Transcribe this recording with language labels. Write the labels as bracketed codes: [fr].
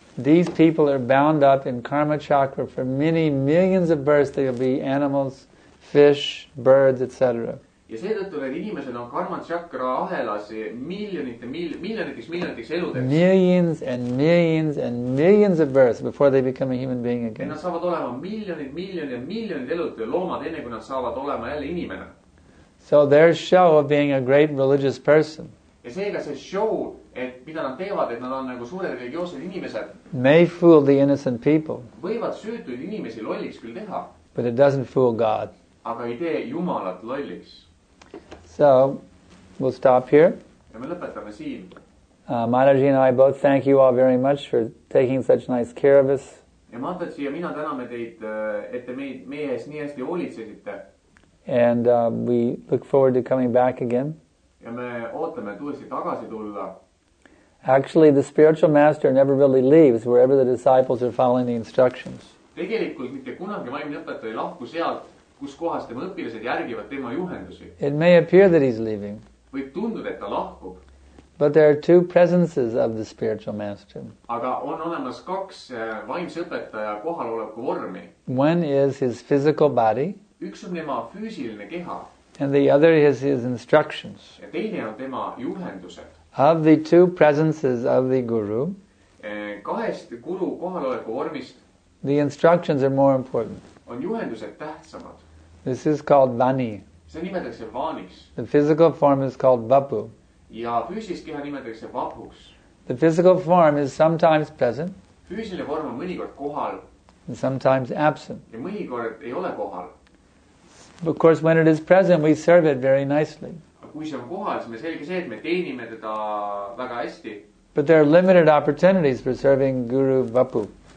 [en] These people are bound up in karma chakra for many millions of births. They will be animals, fish, birds, etc. [et] Ja seetõttu need inimesed on karma chakra ahelas miljonitiks eludeks. [en] Millions and millions and millions of births before they become a human being again. [et] Ja nad saavad olema miljonid elud loomad enne kui nad saavad olema jälle inimene. [en] So their show of being a great religious person. [et] Ja seega see show, et mida nad teevad, et nad on nagu suured religioosed inimesed. [en] May fool the innocent people. [et] Võivad süütuid inimesi lolliks küll teha. [en] But it doesn't fool God. [et] Aga ei tee Jumalat lolliks. [en] So, we'll stop here. [et] Ja me lõpetame siin. [en] Mataji and I both thank you all very much for taking such nice care of us. [et] Ja Mataji ja mina täname teid, et te meie eest nii hästi hoolitsesite. [en] And we look forward to coming back again. [et] Ja me ootame tuuesti tagasi tulla. [en] Actually, the spiritual master never really leaves wherever the disciples are following the instructions. [et] Tegelikult mitte kunagi vaimne õpetaja ei lahku sealt. Kus kohas tema õpilased järgivad tema juhendusi. [en] It may appear that he's leaving. [et] Võib tunduda, et ta lahkub. [en] But there are two presences of the spiritual master. [et] Aga on olemas kaks vaimse õpetaja kohaloleku vormi. [en] One is his physical body. [et] Üks on tema füüsiline keha. [en] And the other is his instructions. [et] Ja teine on tema juhendused. [en] Of the two presences of the guru. [et] Kahest guru kohaloleku vormist. [en] The instructions are more important. [et] On juhendused tähtsamad. [en] This is called vani. [et] See nimetakse vaaniks. [en] The physical form is called vapu. [et] Ja füüsilist keha nimetakse vapuks. [en] The physical form is sometimes present. [et] Füüsiline form on mõnikord kohal. [en] And sometimes absent. [et] Ja mõnikord ei ole kohal. [en] Of course, when it is present, we serve it very nicely. [et] Aga kui see on kohal, siis me selge see, et me teenime teda väga hästi. [en] But there are limited opportunities for serving guru vapu.